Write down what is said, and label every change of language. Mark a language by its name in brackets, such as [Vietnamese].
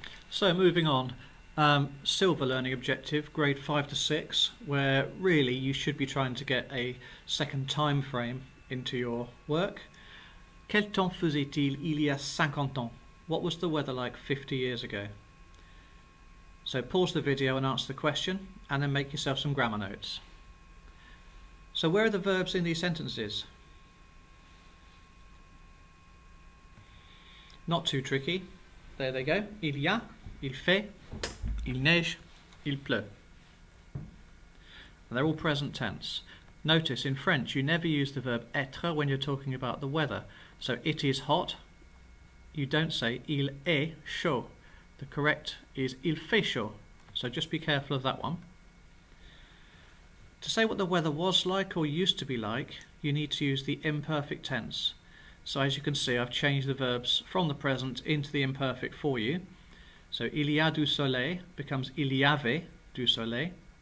[English] So moving on, silver learning objective, grade 5 to 6, where really you should be trying to get a second time frame into your work. [French] Quel temps faisait-il il y a 50 ans? [English] What was the weather like 50 years ago? So pause the video and answer the question, and then make yourself some grammar notes. So where are the verbs in these sentences? Not too tricky. There they go. [French] Il y a, il fait, il neige, il pleut. [English] They're all present tense. Notice in French, you never use the verb être when you're talking about the weather. So it is hot. You don't say [French] il est chaud. [English] The correct is [French] il fait chaud. [English] So just be careful of that one. To say what the weather was like or used to be like, you need to use the imperfect tense. So as you can see, I've changed the verbs from the present into the imperfect for you. So [French] il y a du soleil [English] becomes [French] il y avait du soleil.